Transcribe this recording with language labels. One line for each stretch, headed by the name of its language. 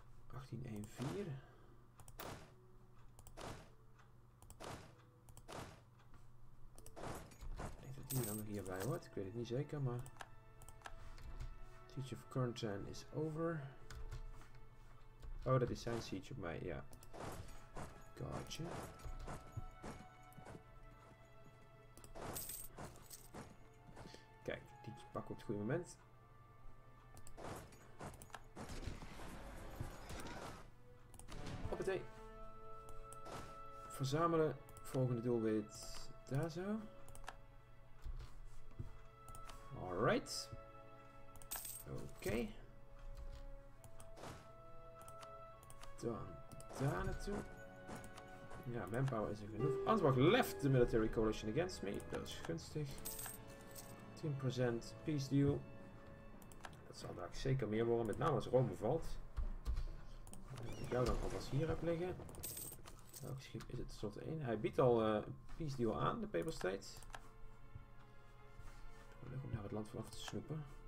Dutch: ...1814. Ik denk dat die dan nog hierbij wordt. Ik weet het niet zeker, maar...
English: Siege of Quarantine is over.
Dutch: Oh, dat is zijn siege op mij, ja. Yeah. Gotcha. Kijk, die pakken op het goede moment. Hoppatee. verzamelen. Volgende doelwit daar zo. Alright. Oké. Dan daar naartoe. Ja, manpower is er genoeg.
English: Antwoord left the military coalition against me.
Dutch: Dat is gunstig. 10% peace deal. Dat zal daar zeker meer worden, met name als Rome valt. Als ik jou dan alvast hier heb liggen. Welk schip is het tenslotte één? Hij biedt al peace deal aan, de Paper State. Leuk om daar het land vanaf te snoepen.